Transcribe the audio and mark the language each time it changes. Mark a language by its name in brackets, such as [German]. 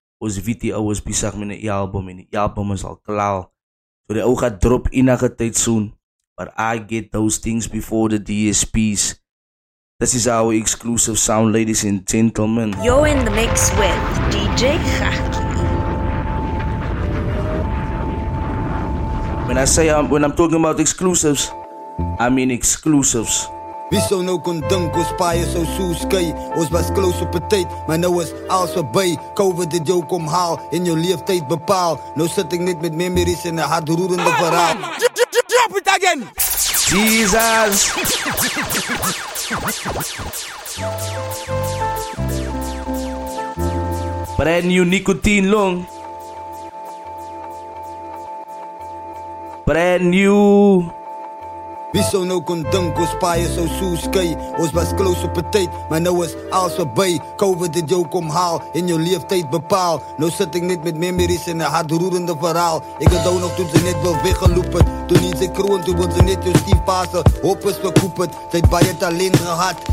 [Afrikaans] Ons weet die ouwe is besig met die album. En die album is al klaar. So die ouwe gaat drop enige tijd soon. [English] But I get those things before the DSPs. This is our exclusive sound, ladies and gentlemen. You're in the mix with DJ Gakkie. When I say when I'm talking about exclusives, I mean exclusives. [Afrikaans] Wie sou nou kon dink ons paie sou so skei? Ons was close op 'n tyd, maar nou is alles verby. COVID het jou kom haal en jou leeftyd bepaal. Nou sit ek net met memories en 'n hartroerende verhaal. [English] Drop it again! Jesus! Brand new nicotine long. Brand new. [Afrikaans] Wie sou nou kon dink ons paie sou so skei? Ons was close op 'n tyd, maar nou is alles verby. COVID het jou kom haal en jou leeftyd bepaal. Nou sit ek net met memories en 'n hartroerende verhaal. Ek het ook nog toen ze net wel weggeloop het. Toen niet ze kroon, toen wil ze net jou stiefpaser. Hoop is verkoop het, sy het baie talent gehad.